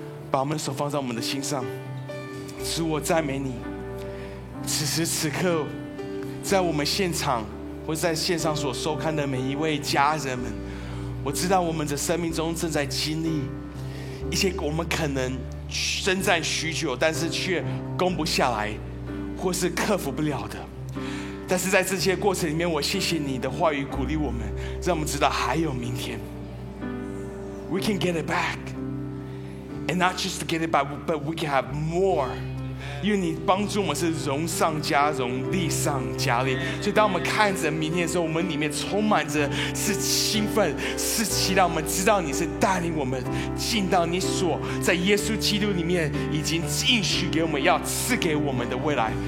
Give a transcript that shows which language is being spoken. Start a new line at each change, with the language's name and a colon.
Chinese: 把我们的手放在我们的心上。主，我赞美你，此时此刻在我们现场或在线上所收看的每一位家人们，我知道我们的生命中正在经历一些我们可能征战许久但是却攻不下来或是克服不了的，但是在这些过程里面，我谢谢你的话语鼓励我们，让我们知道还有明天。
English: We can get it back and not just get it back but we can have more
Chinese: 因为你帮助我们是荣上加荣，力上加力。所以当我们看着明天的时候，我们里面充满着是兴奋，是期待。我们知道你是带领我们进到你所在耶稣基督里面已经应许给我们要赐给我们的未来。